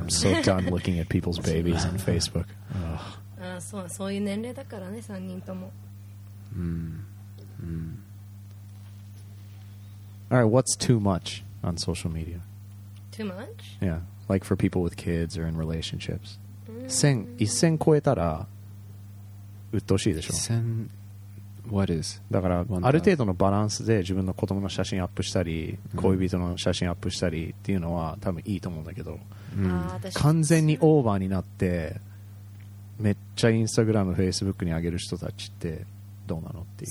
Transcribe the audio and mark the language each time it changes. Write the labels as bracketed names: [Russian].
[English] I'm so done looking at people's babies on Facebook. [Japanese] ああ、そう、そういう年齢だからね、3人とも。 [English] All right, what's too much on social media? Too much? Yeah. Like for people with kids or in relationships. [Japanese] 1000超えたら鬱陶しいでしょ。 [English] 1000 what is? [Japanese] だからある程度のバランスで自分の子供の写真アップしたり、恋人の写真アップしたりっていうのは多分いいと思うんだけど、完全にオーバーになってめっちゃインスタグラム、フェイスブックに上げる人たちってどうなのっていう。